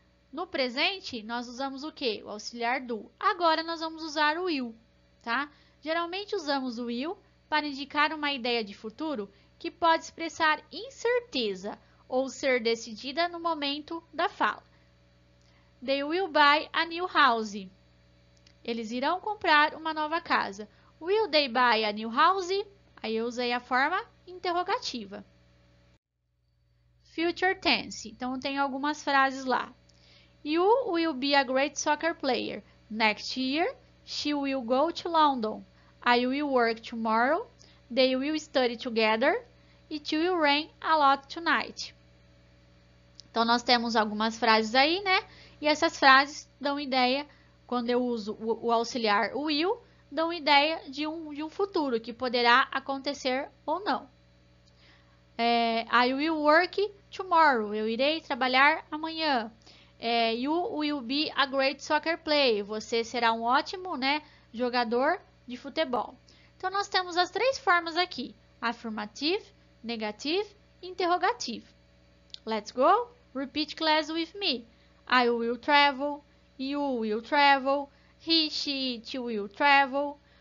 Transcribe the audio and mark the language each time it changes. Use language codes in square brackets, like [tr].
[pt] No presente, nós usamos o quê? O auxiliar do. Agora, nós vamos usar o will, tá? Geralmente, usamos o will para indicar uma ideia de futuro que pode expressar incerteza ou ser decidida no momento da fala. [en] They will buy a new house. [pt] Eles irão comprar uma nova casa. [en] Will they buy a new house? [pt] Aí eu usei a forma interrogativa. [en] Future tense. [pt] Então, tem algumas frases lá. [en] You will be a great soccer player. Next year, she will go to London. I will work tomorrow. They will study together. It will rain a lot tonight. [pt] Então, nós temos algumas frases aí, né? E essas frases dão ideia, quando eu uso o auxiliar will, dão ideia de um futuro que poderá acontecer ou não. [en] I will work tomorrow. [pt] Eu irei trabalhar amanhã. [en] You will be a great soccer player. [pt] Você será um ótimo, né, jogador de futebol. Então, nós temos as três formas aqui: affirmative, negative, interrogative. [en] Let's go. Repeat class with me. I will travel. You will travel. He, she, it will travel.